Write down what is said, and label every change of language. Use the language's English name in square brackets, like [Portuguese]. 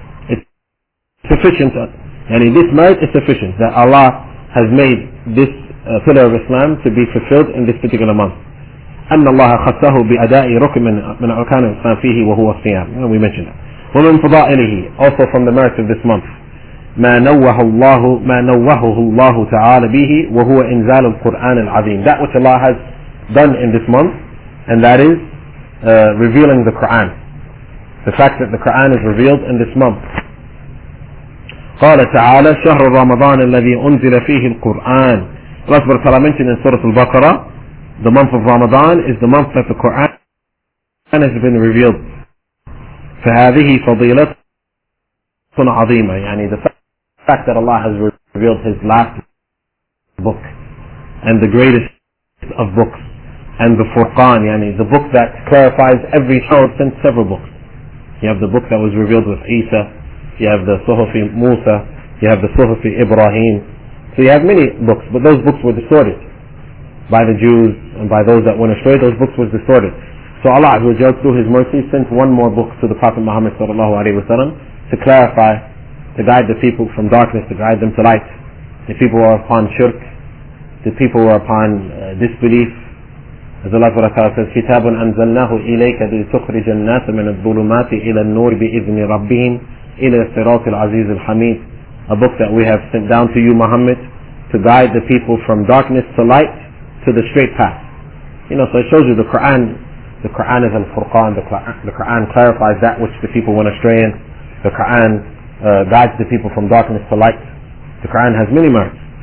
[English] It's sufficient. This merit is sufficient that Allah has made this pillar of Islam to be fulfilled in this particular month. [Arabic] أَنَّ اللَّهَ خَصَّهُ بِأَدَاءِ رُكْمٍ مِنْ أَرْكَانِ الْإِسْلَامِ فِيهِ وَهُوَ الصِّيَامِ. [English] We mentioned that. [Arabic] وَمِنْ فَضَائِلِهِ. [English] Also from the merits of this month. [Arabic] ما نوهه الله تعالى به وهو إنزال القرآن العظيم. [English] That which Allah has done in this month, and that is revealing the Quran. The fact that the Quran is revealed in this month. [Arabic] قال تعالى شهر رمضان الذي أنزل فيه القرآن. [English] Allah subhanahu wa ta'ala mentioned in Surah Al-Baqarah, the month of Ramadan is the month that the Quran has been revealed. [Arabic] فهذه فضيلة عظيمة. [English] The fact that Allah has revealed His last book and the greatest of books and the Furqan, the book that clarifies every child since several books. You have the book that was revealed with Isa, you have the Suhufi Musa, you have the Suhufi Ibrahim. So you have many books, but those books were distorted by the Jews and by those that went astray. Those books were distorted. So Allah, who judged through His mercy, sent one more book to the Prophet Muhammad sallallahu alayhi wa sallam to clarify, to guide the people from darkness, to guide them to light. The people who are upon shirk, the people who are upon disbelief. As Allah subhanahu wa ta'ala says, [Arabic] كِتَابٌ أَنزَلْنَاهُ إِلَيْكَ لِتُخْرِجَ النَّاسَ مِنَ الظُّلُمَاتِ إِلَى النُّورِ بِإِذْنِ رَبِّهِمْ إِلَى الصِّرَاطِ الْعَزِيزِ الْحَمِيدِ. [English] A book that we have sent down to you, Muhammad, to guide the people from darkness to light, to the straight path. So it shows you the Quran is al-Furqan. The Quran clarifies that which the people went astray in. The Quran guides the people from darkness to light. The Quran has many merits.